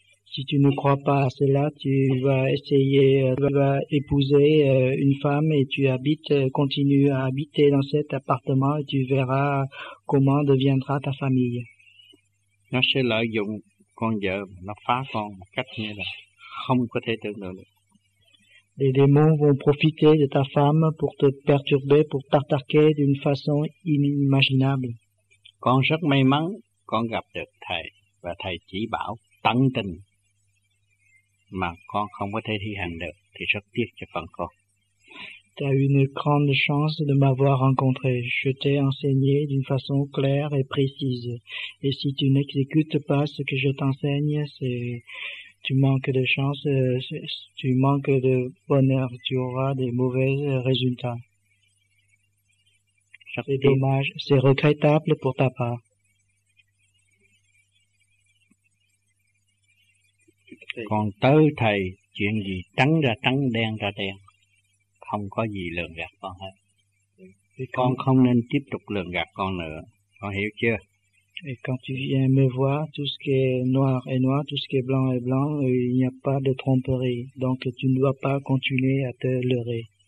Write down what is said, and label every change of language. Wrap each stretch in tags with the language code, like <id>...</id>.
<fr>Si tu ne crois pas à cela, tu vas essayer, tu vas épouser une femme et tu habites, continue à habiter dans cet appartement et tu verras comment deviendra ta famille.</fr> <vi>Nó sẽ lợi dụng con vợ, nó phá con một cách như là không có thể tưởng tượng được.</vi> <fr>Les démons vont profiter de ta femme pour te perturber, pour t'attaquer d'une façon inimaginable.</fr> <vi>Con rất may mắn, con gặp được thầy và thầy chỉ bảo tận tình. Mà con không có thể thi hành được thì rất tiếc cho phần con.</vi> <fr>Tu as eu une grande chance de m'avoir rencontré. Je t'ai enseigné d'une façon claire et précise. Et si tu n'exécutes pas ce que je t'enseigne, c'est tu manques de chance, tu manques de bonheur, tu auras des mauvais résultats. C'est dommage, c'est regrettable pour ta part.</fr> <vi>Còn tới thầy chuyện gì trắng ra trắng đen ra đen, không có gì lường gạt con hết. Con không nên tiếp tục lường gạt con nữa, con hiểu chưa?</vi> <fr>Et quand tu viens me voir, tout ce qui est noir est noir, tout ce qui est blanc est blanc, il n'y a pas de tromperie, donc tu ne dois pas continuer à te leurrer.</fr>